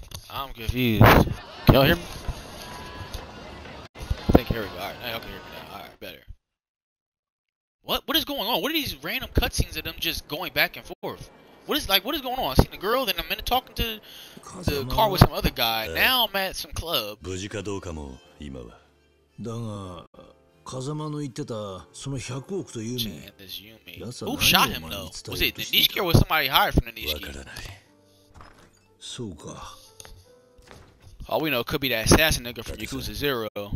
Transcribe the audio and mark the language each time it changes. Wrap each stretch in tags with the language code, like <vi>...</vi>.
<en>I'm confused. Can y'all hear me? I think here we go. Alright, y'all can hear me now. Alright, better. What is going on? What are these random cutscenes of them just going back and forth? What is going on? I seen a girl, then a minute talking to the car with some other guy. Now I'm at some club.</en> <ja>無事かどうかも今は。だが、風間の言ってたその百億という</ja> <en>ね。Who shot him though? Was it the Nishiki or was somebody hired from the Nishiki?</en> <ja>わからない。そうか。</ja> <en>All we know could be that assassin nigga from Yakuza Zero.</en>